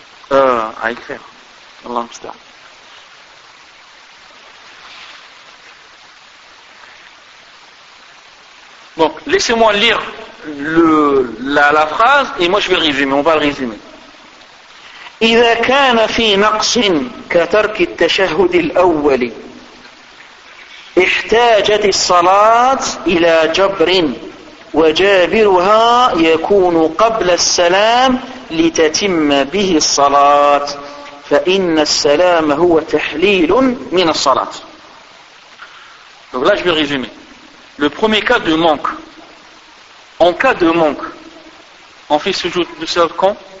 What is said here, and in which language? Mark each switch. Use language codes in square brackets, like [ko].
[fr] À écrire. Allah m'stah. Donc, laissez-moi lire la phrase et moi je vais résumer, on va le résumer. [ar] إذا كان في نقص كترك التشهد الأول احتاجت الصلاة إلى جبر وجابرها يكون قبل السلام لتتم به الصلاة فإن السلام هو تحليل من الصلاة. [fr] Donc là je vais résumer. Le premier cas de manque. En cas de manque, on fait sujoud de sauf quand?